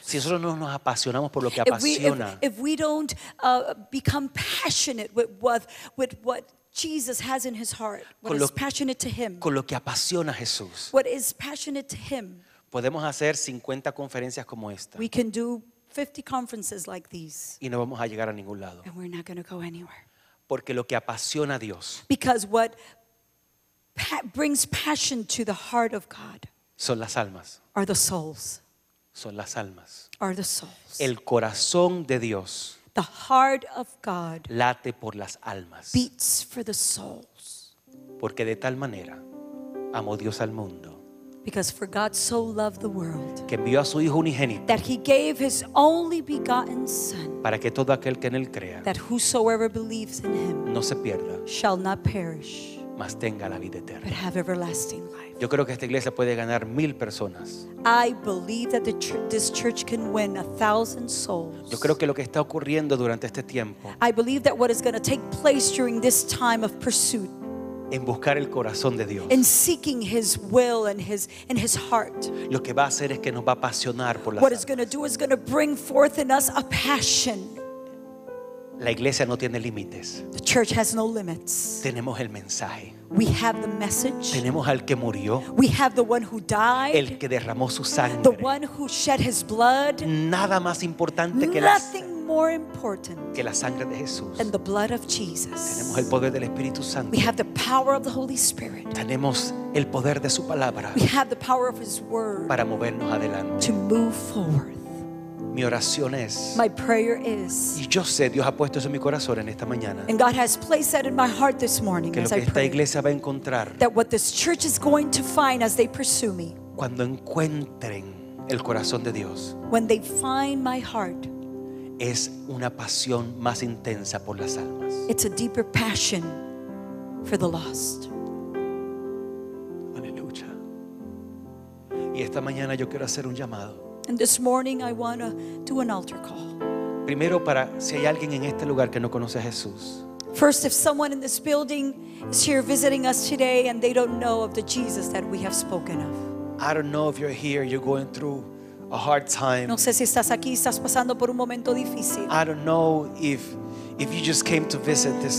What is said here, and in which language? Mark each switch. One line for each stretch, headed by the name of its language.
Spanish: Si nosotros no nos apasionamos por lo que apasiona.
English: If we don't become passionate with what Jesus has in his heart, what is passionate to him.
Spanish: Con lo que apasiona a Jesús.
English: What is passionate to him.
Spanish: Podemos hacer 50 conferencias como esta.
English: We can do 50 conferences like these.
Spanish: Y no vamos a llegar a ningún lado.
English: And we're not going to go anywhere.
Spanish: Porque lo que apasiona a Dios.
English: Because what brings passion to the heart of God.
Spanish: Son las almas.
English: Are the souls.
Spanish: Son las almas.
English: Are the souls.
Spanish: El corazón de Dios.
English: The heart of God
Spanish: late por las almas.
English: Beats for the souls.
Spanish: Porque de tal manera amó Dios al mundo.
English: Because for God so loved the world,
Spanish: que envió a su Hijo unigénito,
English: that he gave his only begotten Son,
Spanish: para que todo aquel que en él crea,
English: that whosoever believes in him,
Spanish: no se pierda,
English: shall not perish,
Spanish: mas tenga la vida eterna,
English: but have everlasting life.
Spanish: Yo creo que esta iglesia puede ganar 1,000 personas.
English: I believe that this church can win 1,000 souls.
Spanish: Yo creo que lo que está ocurriendo durante este tiempo,
English: I believe that what is going to take place during this time of pursuit,
Spanish: en buscar el corazón de Dios,
English: in seeking his will and his heart,
Spanish: lo que va a hacer es que nos va a apasionar por las
English: what it's going to do is going to bring forth in us a passion.
Spanish: La iglesia no tiene límites.
English: The church has no limits.
Spanish: Tenemos el mensaje.
English: We have the message.
Spanish: Tenemos al que murió.
English: We have the one who died.
Spanish: El que derramó su sangre.
English: The one who shed his blood.
Spanish: Nada más importante que
English: more important
Spanish: que la sangre de Jesús.
English: Than the blood of Jesus.
Spanish: Tenemos el poder del Espíritu Santo.
English: We have the power of the Holy Spirit.
Spanish: Tenemos el poder de su palabra.
English: We have the power of his word.
Spanish: Para movernos adelante.
English: To move forward.
Spanish: Mi oración es,
English: my prayer is,
Spanish: y yo sé Dios ha puesto eso en mi corazón en esta mañana,
English: and God has placed that in my heart this morning,
Spanish: que lo que esta iglesia va a encontrar,
English: that what this church is going to find as they pursue me,
Spanish: cuando encuentren el corazón de Dios,
English: when they find my heart,
Spanish: es una pasión más intensa por las almas.
English: It's a deeper passion for the lost.
Spanish: Aleluya. Y esta mañana yo quiero hacer un llamado.
English: And this morning I want to do an altar call.
Spanish: Primero para si hay alguien en este lugar que no conoce a Jesús.
English: First, if someone in this building is here visiting us today and they don't know of the Jesus that we have spoken of. I don't know if you're here, you're going through a hard time.
Spanish: No sé si estás aquí, estás pasando por un momento difícil.
English: I don't know if you just came to visit this